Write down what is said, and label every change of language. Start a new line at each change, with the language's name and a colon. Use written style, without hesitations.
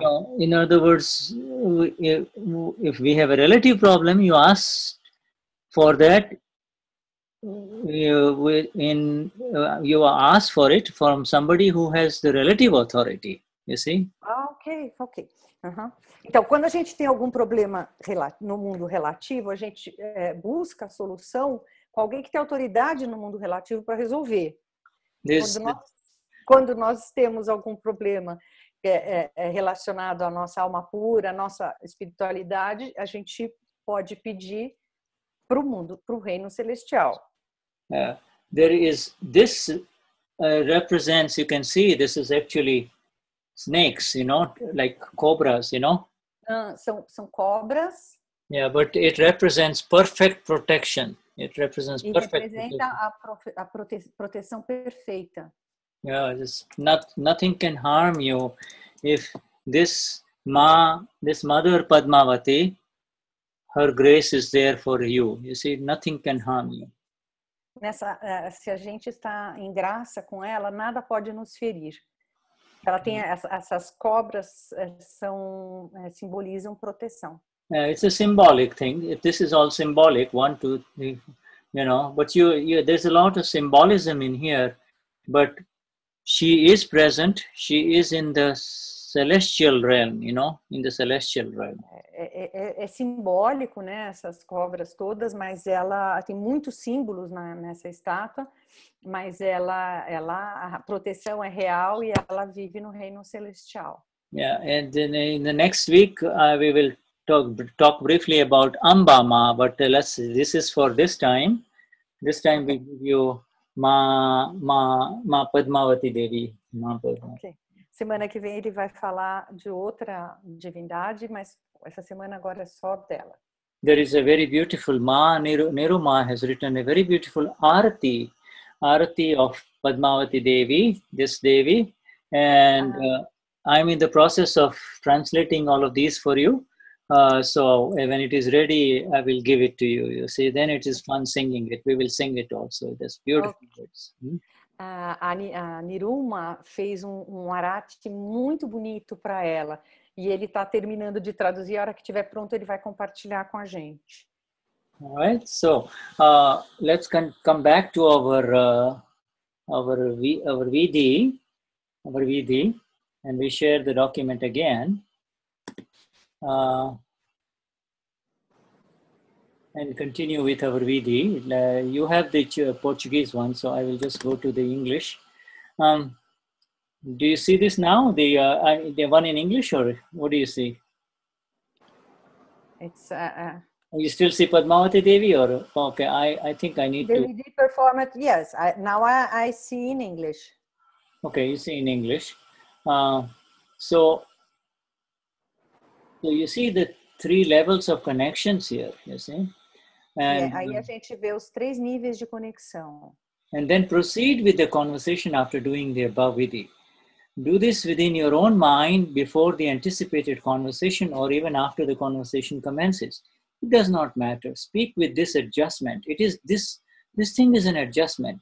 English: No, in other words, if we have a relative problem, you ask for that. You ask for it from somebody who has the relative authority. You see? Okay. Uh-huh.
Portuguese: Então, quando a gente tem algum problema no mundo relativo, a gente busca a solução com alguém que tem autoridade no mundo relativo para resolver. Quando nós temos algum problema relacionado à nossa alma pura, à nossa espiritualidade, a gente pode pedir para o mundo, para o reino celestial.
English: There is this represents, you can see, this is actually snakes, you know, like cobras, you know.
Portuguese: São cobras.
English: Yeah, but it represents perfect protection. It represents perfect
Portuguese: protection. A proteção perfeita.
English: Yeah, just nothing can harm you if this mother Padmavati, her grace is there for you. You see, nothing can harm you.
Portuguese: Nessa, se a gente está em graça com ela, nada pode nos ferir. Ela tem essas cobras, simbolizam proteção.
English: Yeah, it's a symbolic thing. This is all symbolic. One, two, three, you know. But you, there's a lot of symbolism in here. But she is present. She is in the celestial realm, you know, in the celestial realm.
Portuguese: É simbólico, né, essas cobras todas, mas ela tem muitos símbolos nessa estátua, mas ela a proteção é real e ela vive no reino celestial.
English: Yeah, and then in the next week we will talk briefly about Amba Ma, but this is for this time. This time we give you Ma Padmavati Devi.
Portuguese: Semana que vem ele vai falar de outra divindade, mas essa semana agora é só dela.
English: There is a very beautiful Ma, Niruma has written a very beautiful Arati of Padmavati Devi, this Devi, and I'm in the process of translating all of these for you. So when it is ready, I will give it to you. You see, then it is fun singing it. We will sing it also. That's beautiful. Okay. Words.
Portuguese: A Niruma fez um arati muito bonito para ela. E ele está terminando de traduzir. A hora que estiver pronto, ele vai compartilhar com a gente.
English: All right. So, let's come back to our Vidhi, and we share the document again. And continue with our Vidhi. You have the Portuguese one, so I will just go to the English. Do you see this now? The one in English, or what do you see? It's. You still see Padmavati Devi, or okay? I think I need Devi to. Devi perform it. Yes, I see in English. Okay, you see in English. So you see the three levels of connections here. You see.
Portuguese: Aí a gente vê os três níveis de conexão.
English: And then proceed with the conversation after doing the above vidhi. Do this within your own mind before the anticipated conversation or even after the conversation commences. It does not matter. Speak with this adjustment. It is this thing is an adjustment.